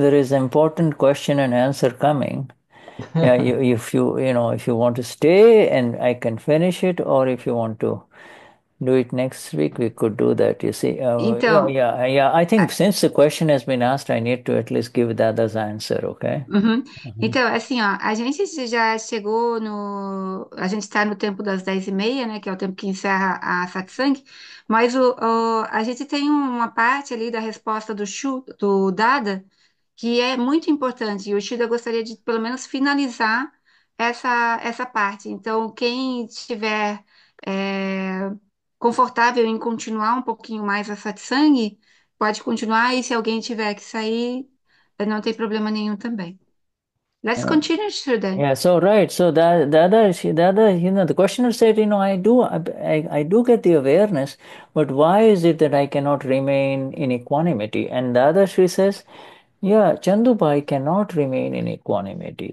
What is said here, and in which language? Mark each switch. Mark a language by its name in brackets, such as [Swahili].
[English] There is an important question and answer coming. Yeah, if you want to stay and I can finish it, or if you want to do it next week, we could do that, you see. [Portuguese] Então, [English] I think since the question has been asked, I need to at least give the others answer, okay? [Portuguese] Então, assim, ó, a gente já chegou no... A gente está no tempo das 10h30, né? Que é o tempo que encerra a satsang. Mas a gente tem uma parte ali da resposta do Dada que é muito importante. E o Shida gostaria de, pelo menos, finalizar essa parte. Então, quem estiver... confortável em continuar um pouquinho mais a satsang, pode continuar, e se alguém tiver que sair, não tem problema nenhum também. [English] Let's continue, Shuddha. Yeah, so right, so the other, you know, the questioner said, you know, I do get the awareness, but why is it that I cannot remain in equanimity? And the other, she says, yeah, Chandubai cannot remain in equanimity.